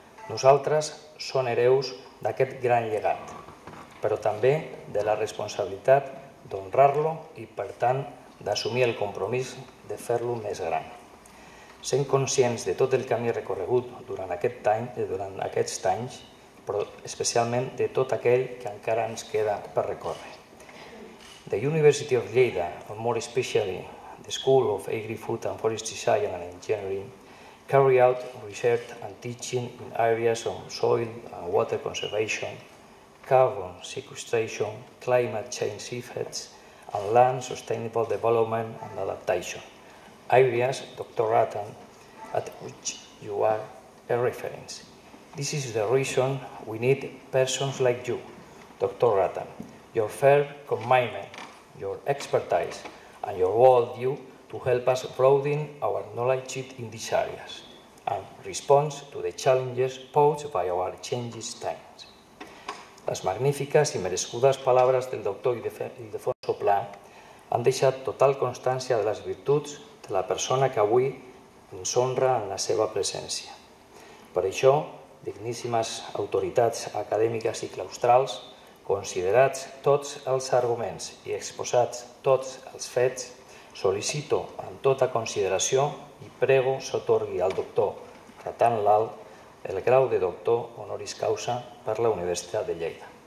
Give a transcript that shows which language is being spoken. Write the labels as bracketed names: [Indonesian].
[Catalan] Nosaltres som hereus d'aquest gran llegat, però també de la responsabilitat d'honrar-lo i, per tant, d'assumir el compromís de fer-lo més gran. Sent conscients de tot el camí recorregut durant aquests anys, però especialment de tot aquell que encara ens queda per recórrer. [English] The University of Lleida, or more especially the School of Agri-Food and Forestry Science and Engineering, carry out research and teaching in areas of soil and water conservation, carbon sequestration, climate change effects, and land sustainable development and adaptation. Areas, Dr. Rattan, at which you are a reference. This is the reason we need persons like you, Dr. Rattan. Your firm commitment, your expertise, and your worldview to help us broaden our knowledge in these areas and respond to the challenges posed by our changing times. [Catalan] Les magnífiques i merescudes paraules del doctor Ildefonso Pla han deixat total constància de les virtuts de la persona que avui ens honra en la seva presència. Per això, digníssimes autoritats acadèmiques i claustrals, considerats tots els arguments i exposats tots els fets, sol·licito amb tota consideració i prego s'otorgui al doctor Rattan Lal el grau de doctor honoris causa per la Universitat de Lleida.